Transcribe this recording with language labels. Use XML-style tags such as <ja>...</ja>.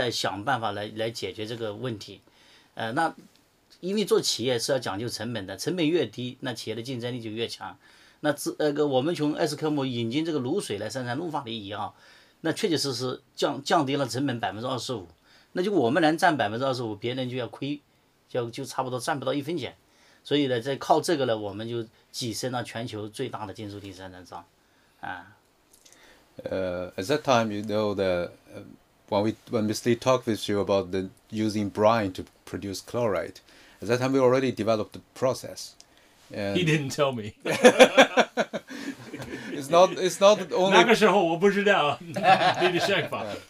<zh>我们因为赣锋呢，创业的阶段呢是没有资源的，所以呢时时刻刻在关注这个资源的一个变化。尤其是埃斯科姆卖卤水给我们以后，当然那个时候是信息不对称，他们不清楚，他们可能认为我们是套他的话的，是吧？只是作为一个筹码来跟他谈的，但呢那个时候呢，我们确确实实在想办法来解决这个问题，那。因为做企业是要讲究成本的，成本越低，那企业的竞争力就越强。那这个我们从埃斯科姆引进这个卤水来生产卤法的一样，那确确实实降低了成本25%，那就我们能占25%，别人就要亏，就差不多占不到1分钱。所以呢，在靠这个呢，我们就跻身了全球最大的金属铝生产商。</zh> <en>At that time, you know that when we talked with you about the using brine to produce chloride. At that time, we already developed the process. He didn't tell me. it's not only.</en> <zh>那个时候我不知道 你的想法.</zh>